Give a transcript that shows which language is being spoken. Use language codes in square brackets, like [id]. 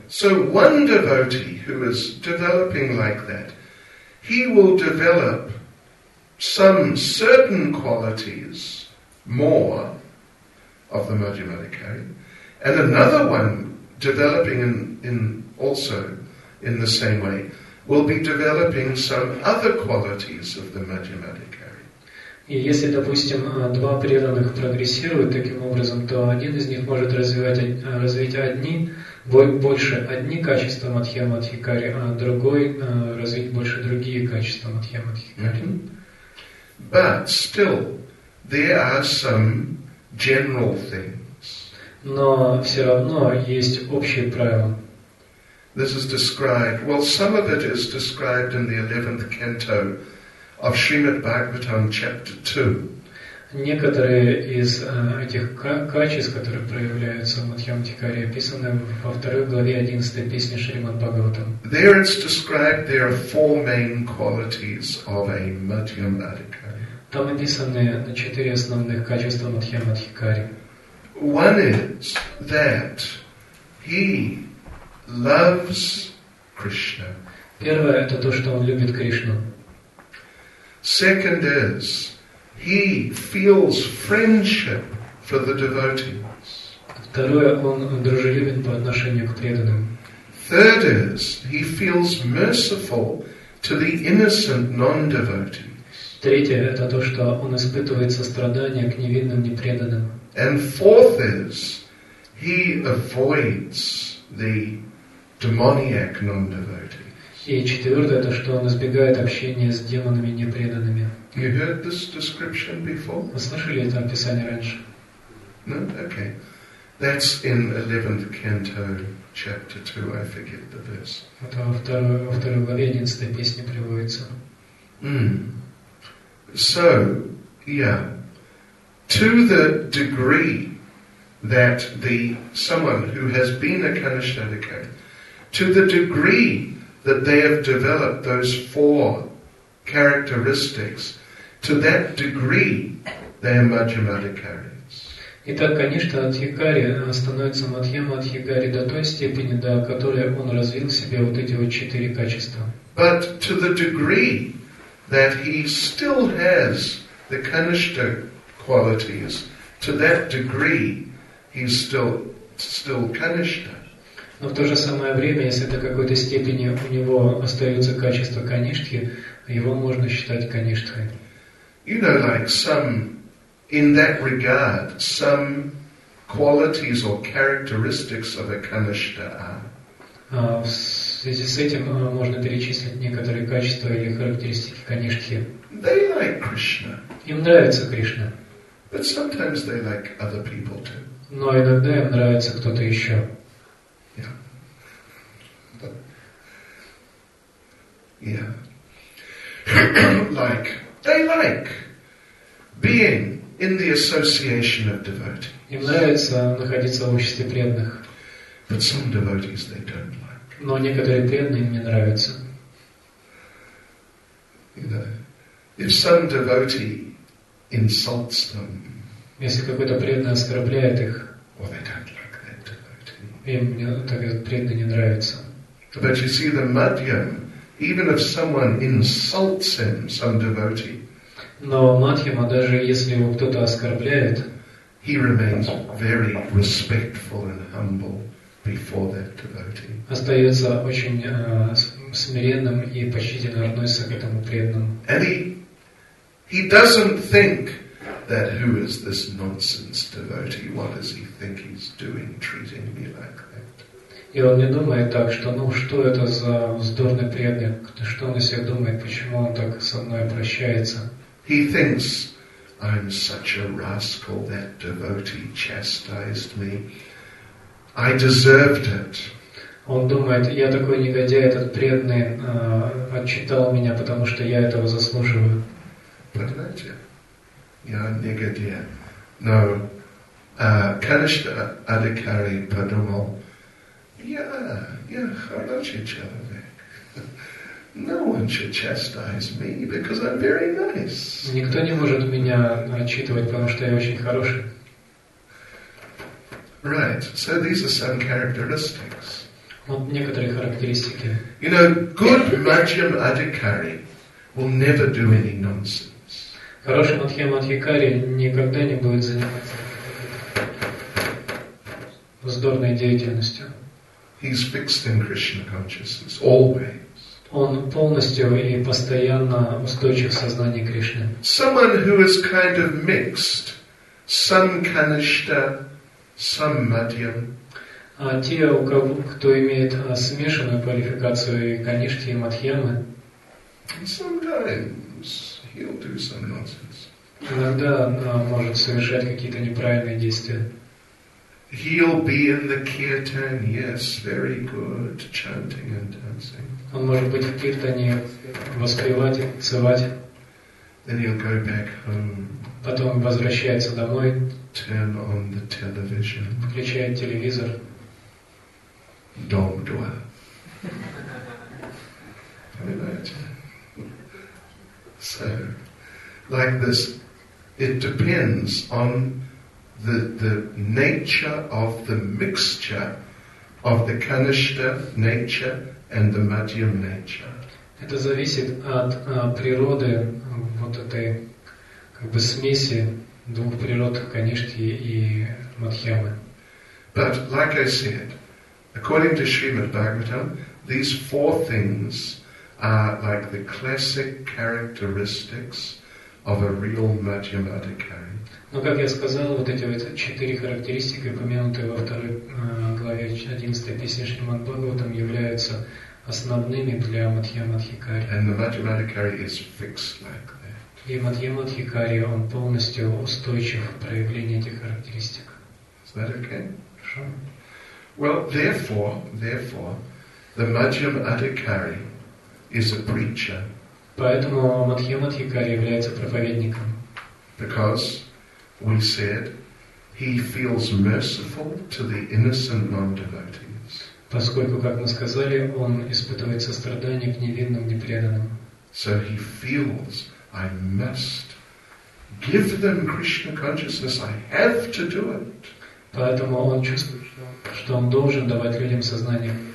[en] So one devotee who is developing like that, he will develop some certain qualities more of the Madhyamadhikari, and another one developing in also in the same way will be developing some other qualities of the Madhyamadhikari. [ru] И если, допустим, два преданных прогрессируют таким образом, то один из них может развить одни больше одни качества Мадхьяма-хикари, а другой развить больше другие качества Мадхьяма-хикари. [en] But still, there are some general things. [ru] Но все равно есть общие правила. [en] This is described. Well, some of it is described in the 11th canto of Srimad Bhagavatam, chapter 2. [ru] Некоторые из этих качеств, которые проявляются в Мадхьяма-хикари, описаны во второй главе 11 песни Шримад Бхагаватам. [en] There it's described. There are four main qualities of a Madhyamadhikari. [ru] Там описаны четыре основных качества Мадхьяма-хикари. [en] One is that he loves Krishna. [ru] Первое — это то, что он любит Кришну. [en] Second is he feels friendship for the devotees. [ru] Второе — он дружелюбен по отношению к преданным. [en] Third is he feels merciful to the innocent non-devotees. [ru] Третье – это то, что он испытывает сострадание к невинным, непреданным. [en] And fourth is, he avoids the demoniac non-devotees. [ru] И четвертое – это что он избегает общения с демонами, непреданными. [en] You heard this description before? [ru] Вы слышали это описание раньше? [en] No? Okay. That's in 11th canto, chapter 2. I forget the verse. [ru] Это во второй главе 11-й песни приводится. [en] So, yeah, to the degree that someone who has been a Kanishadhikari, to the degree that they have developed those four characteristics, to that degree they are Madhyamadhikaris. [ru] Итак, конечно, Адхикари становится Мадхьяма-хикари до той степени, до которой он развил в себе вот эти вот четыре качества. [en] But to the degree that he still has the Kanishta qualities, to that degree he's still Kanishta. [ru] Но в то же самое время, если до какой-то степени у него остаются качества Канишки, его можно считать Каништхой. [en] You know, like some, in that regard, some qualities or characteristics of a Kanishta are. [ru] В связи с этим можно перечислить некоторые качества или характеристики Канишки. [en] They like Krishna. [ru] Им нравится Кришна. [en] But sometimes they like other people too. [ru] Но иногда им нравится кто-то еще. [en] Yeah. Yeah. Like, they like being in the association of devotees. [ru] Им нравится находиться в обществе преданных. [en] But some devotees they don't like. [ru] Но некоторые преданные мне нравятся. [en] If some devotee insults them, [ru] если какой-то преданный оскорбляет их, [en] well, they don't like that devotee. [ru] Им мне так этот преданный не нравится. [en] But you see, the Madhyam, even if someone insults him, some devotee, [ru] но Мадхьяма, даже если его кто-то оскорбляет, [en] he remains very respectful and humble before that devotee. [ru] Остается очень смиренным и почтительно относится к этому преданному. [en] And he doesn't think that who is this nonsense devotee? What does he think he's doing, treating me like that? [ru] И он не думает так, что ну что это за вздорный преданный? Что он о себе думает? Почему он так со мной обращается? [en] He thinks I'm such a rascal. That devotee chastised me. I deserved it. [ru] Он думает, я такой негодяй, этот преданный отчитал меня, потому что я этого заслуживаю. Понимаете? Я негодяй. Но Каништа Адхикари подумал, я хороший человек. [en] No one should chastise me, because I'm very nice. [ru] Никто не может меня отчитывать, потому что я очень хороший. [en] Right. So these are some characteristics. [ru] Вот некоторые характеристики. [en] You know, good Madhyam Adhikari will never do any nonsense. [ru] Хороший Мадхьяма Адхикари никогда не будет заниматься вздорной деятельностью. [en] He's fixed in Krishna consciousness always. [ru] Он полностью и постоянно устойчив в сознании Кришны. [en] Someone who is kind of mixed, some kanishta, some madhyam. [ru] А те, у кого, кто имеет смешанную квалификацию и каништи, и мадхьямы, [en] sometimes he'll do some nonsense. [ru] Иногда может совершать какие-то неправильные действия. [en] He'll be in the kirtan, yes, very good, chanting and dancing. [ru] Он может быть в киртане, воспевать, танцевать. [en] Then he'll go back home. [ru] Потом возвращается домой. [en] Turn on the television. [ru] Включает телевизор. Dom dua. [en] Right. So, like this, it depends on the nature of the mixture of the kanishta nature and the madhyam nature. [ru] Это зависит от природы вот этой как бы смеси двух природ, конишки и мадхьямы. [en] But like I said, according to Srimad Bhagavatam, these four things are like the classic characteristics of a real madhyam adhikari. [ru] Но, как я сказал, вот эти вот четыре характеристики, упомянутые во второй главе 11 песни Шримад Бхагаватам, являются основными для Мадхьяма Адхикари. [en] And the Мадхьяма Адхикари is fixed like that. [ru] И Мадхьяма Адхикари, он полностью устойчив в проявлении этих характеристик. [en] Is that okay? Sure. Well, therefore, the Мадхьяма Адхикари is a preacher. [ru] Поэтому Мадхьяма Адхикари является проповедником. [en] Because we said he feels merciful to the innocent non-devotees. [ru] Поскольку, как мы сказали, он испытывает сострадание к невинным, непреданным. [en] So he feels I must give them Krishna consciousness. I have to do it. [ru] Поэтому он чувствует, что он должен давать людям сознание.